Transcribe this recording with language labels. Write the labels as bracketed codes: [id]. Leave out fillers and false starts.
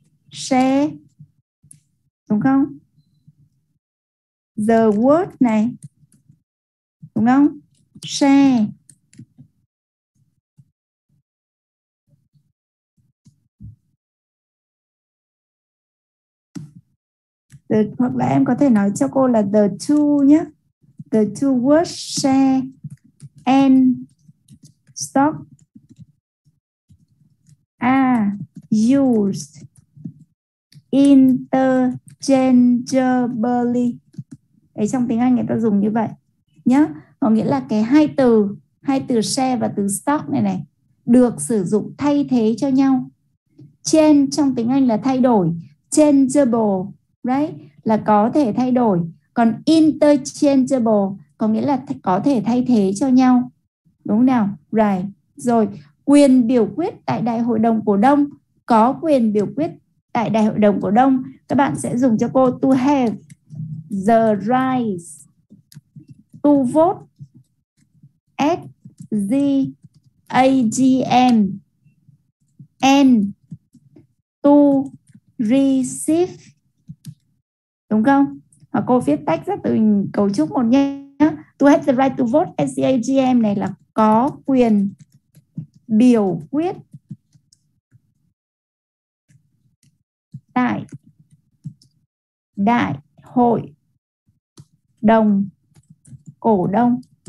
[vi] Share, đúng không? [en] The word [vi] này, đúng không? Share. The, hoặc là em có thể nói cho cô là [en] the two [vi] nhé. [en] The two words share and stock are used interchangeably. [vi] Đấy, trong tiếng Anh người ta dùng như vậy nhé. Có nghĩa là cái hai từ share và từ stock này này được sử dụng thay thế cho nhau. Change trong tiếng Anh là thay đổi. [en] Changeable, right? [vi] Là có thể thay đổi. Còn interchangeable có nghĩa là có thể thay thế cho nhau. Đúng nào? [en] Right. [vi] Rồi, quyền biểu quyết tại đại hội đồng cổ đông. Có quyền biểu quyết tại đại hội đồng cổ đông. Các bạn sẽ dùng cho cô [en] to have the rights to vote at the AGM and to receive. [vi] Đúng không? Hoặc cô viết tách ra từ cấu trúc một nhé. [en] To have the right to vote at the AGM [vi] này là có quyền biểu quyết tại đại hội đồng cổ đông.